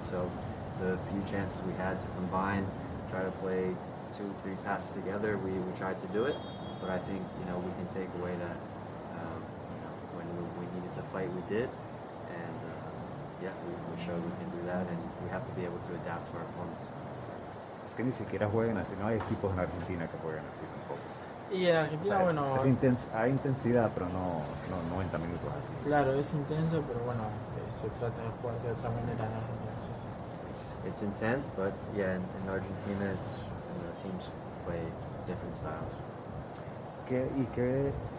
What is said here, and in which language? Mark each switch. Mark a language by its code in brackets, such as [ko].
[en] So the few chances we had to combine, try to play 2-3 passes together, we tried to do it. But I think, you know, we can take away that. We needed to fight, we did, and we showed we can do that, and we have to be able to adapt to our opponents. [es] Es que ni siquiera juegan así, no hay equipos en Argentina que jueguen así tampoco. Y en Argentina, o sea, bueno, hay intensidad, pero no 90 minutos así. Claro, es intenso, pero bueno, se trata de jugar de otra manera en Argentina. Sí, sí. [en] It's intense, but yeah, in Argentina, it's, you know, teams play different styles.